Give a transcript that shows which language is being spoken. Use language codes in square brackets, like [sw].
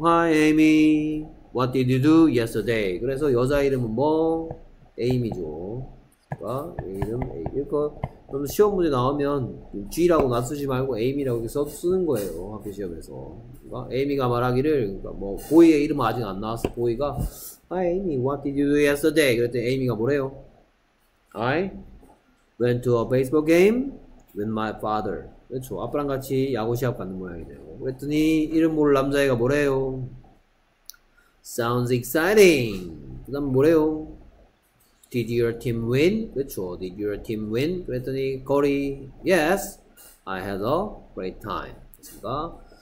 [en] Hi Amy, what did you do yesterday? [ko] 그래서 여자 이름은 뭐? 에이미죠. 그러니까 이름 에이. 그럼 시험 문제 나오면 G라고 나 쓰지 말고 에이미라고 써 쓰는 거예요. 학교 시험에서. 그러니까 에이미가 말하기를 그러니까 뭐 보이의 이름은 아직 안 나왔어. 보이가 [en] Hi Amy, what did you do yesterday? [ko] 그랬더니 에이미가 뭐래요? [en] Hi went to a baseball game with my father. [ko] 그렇죠. 아빠랑 같이 야구 시합 가는 모양이네요. 그랬더니 이름 모를 남자애가 뭐래요? [en] Sounds exciting. [ko] 그 다음 뭐래요? [en] Did your team win? [ko] 그렇죠. [en] Did your team win? [ko] 그랬더니 거리 [en] Yes, I had a great time. [ko] 됐습니까?